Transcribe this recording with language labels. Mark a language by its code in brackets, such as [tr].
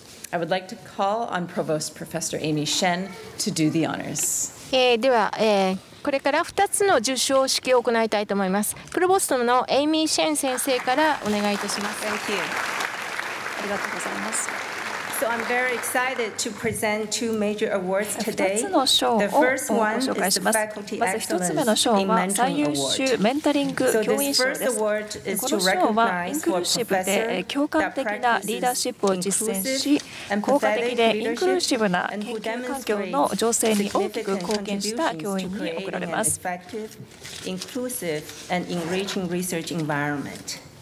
[en] I would like to call on Provost Professor Amy Shen to do the honors. [ja] では、これから2つの受賞式を行いたいと思います。プロボストのエイミー・シェン先生からお願いいたします。 [en] Thank you. [ja] ありがとうございます。 [en] So I'm very excited to present two major awards today. The first one is the Faculty Excellence in Mentoring Award. So this first award is to recognize for Professor that practices inclusive, empathetic leadership, and who demonstrates significant contributions to create an effective, inclusive, and enriching research environment.